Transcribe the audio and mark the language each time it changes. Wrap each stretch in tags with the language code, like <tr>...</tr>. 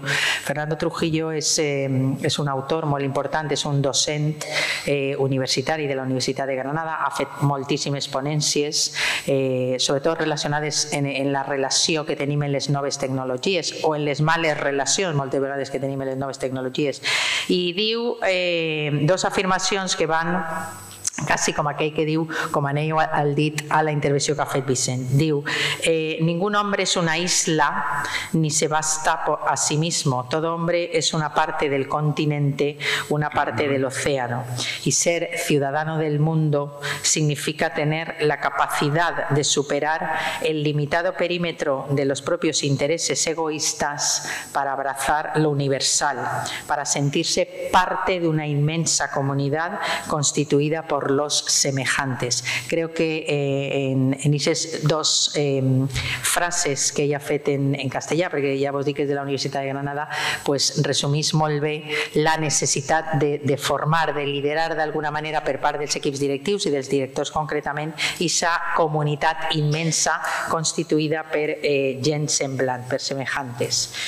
<ca>Fernando Trujillo és un autor molt important, és un docent universitari de la Universitat de Granada, ha fet moltíssimes ponències, sobretot relacionades en la relació que tenim en les noves tecnologies o en les males relacions moltes vegades que tenim les noves tecnologies. I diu dos afirmacions que van quasi com aquell que diu, com aneu al dit a la intervenció que ha fet Vicent.</ca> <es>Diu, ningún hombre es una isla ni se basta a sí mismo. Todo hombre es una parte del continente, una parte del océano. Y ser ciudadano del mundo significa tener la capacidad de superar el limitado perímetro de los propios intereses egoístas para abrazar lo universal, para sentirse parte de una inmensa comunidad constituida por los semejantes.</es> <ca>Creo que en esas dos frases que ella ha fet en castellà, perquè ja vos dic que és de la Universitat de Granada, pues resumís molt bé la necessitat de formar, de liderar d'alguna manera per part dels equips directius i dels directors concretament, i sa comunitat immensa constituïda per gent semblant, per semejantes.</ca>